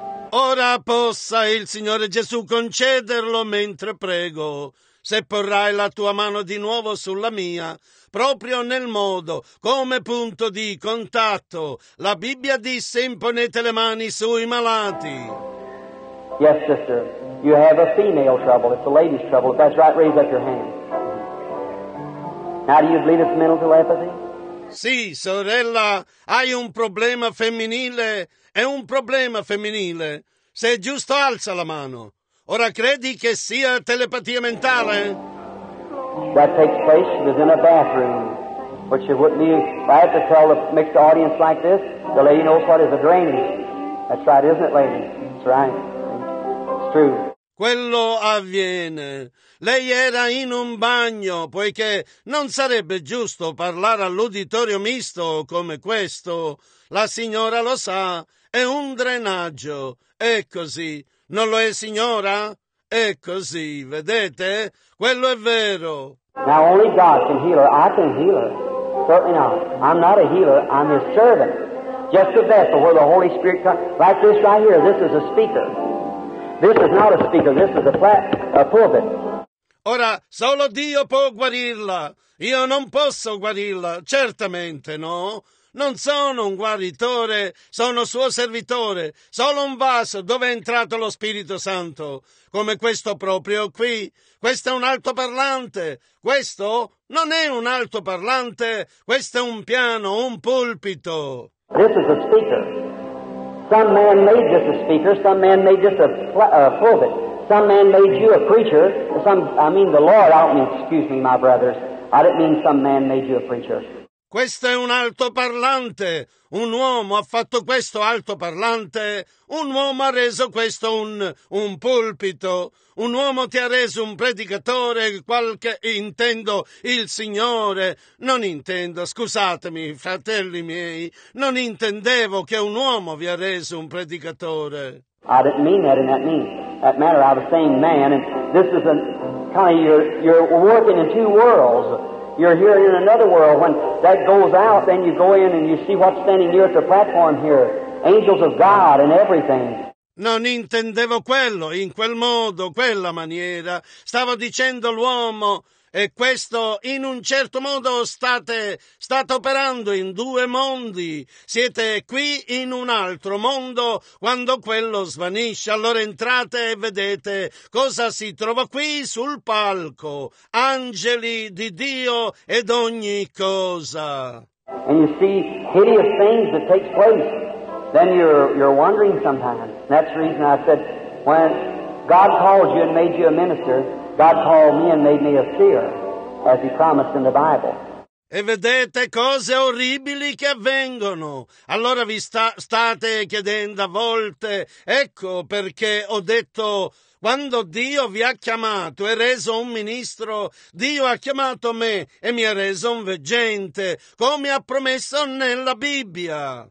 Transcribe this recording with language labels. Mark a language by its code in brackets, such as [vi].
[it] Ora possa il Signore Gesù concederlo mentre prego. Se porrai la tua mano di nuovo sulla mia, proprio nel modo, come punto di contatto, la Bibbia disse imponete le mani sui malati. [en] Yes, sister, you have a female trouble, it's a lady's trouble. If that's right, raise up your hand. Now, do you believe it's mental telepathy? [it] Sì, sorella, hai un problema femminile, è un problema femminile. Se è giusto, alza la mano. Ora credi che sia telepatia mentale? [en] That takes place. She was in a bathroom. But she wouldn't be right to tell a mixed audience like this. The lady knows what is a dream. That's right, isn't it, lady? That's right. It's true. [it] Quello avviene. Lei era in un bagno, poiché non sarebbe giusto parlare all'uditorio misto come questo. La signora lo sa. È un drenaggio. È così. Non lo è, signora? È così, vedete? Quello è vero. [en] Now only God can heal her. I can heal her. Certainly not. I'm not a healer. I'm his servant. Just a vessel where the Holy Spirit comes. Like this right here. This is a speaker. This is not a speaker. This is a flat pulpit. [it] Ora, solo Dio può guarirla. Io non posso guarirla. Certamente, no? Non sono un guaritore, sono suo servitore, solo un vaso dove è entrato lo Spirito Santo, come questo proprio qui. Questo è un altoparlante, questo non è un altoparlante, questo è un piano, un pulpito. [en] This is a speaker. Some man made this a speaker, some man made this a pulpit. Some man made you a preacher, some, I mean the Lord, I don't mean, excuse me, my brothers, I didn't mean some man made you a preacher. [it] Questo è un altoparlante, un uomo ha fatto questo altoparlante, un uomo ha reso questo un pulpito, un uomo ti ha reso un predicatore, qualche, intendo il Signore, non intendo, scusatemi fratelli miei, non intendevo che un uomo vi ha reso un predicatore. [en] I didn't mean that in that matter, I was saying man, and this is a kind of, you're working in two worlds. You're here in another world. When that goes out, then you go in and you see what's standing here at the platform here. Angels of God and everything. [it] Non intendevo quello, in quel modo, quella maniera. Stavo dicendo l'uomo, e questo in un certo modo state operando in due mondi. Siete qui in un altro mondo quando quello svanisce. Allora entrate e vedete cosa si trova qui sul palco. Angeli di Dio ed ogni cosa. [en] And you see hideous things that take place. Then you're wondering sometimes. That's the reason I said when God called you and made you a minister. God called me and made me a seer, as he promised in the Bible. [it] E vedete cose orribili che avvengono. Allora vi state chiedendo a volte, ecco perché ho detto, quando Dio vi ha chiamato e reso un ministro, Dio ha chiamato me e mi ha reso un veggente, come ha promesso nella Bibbia.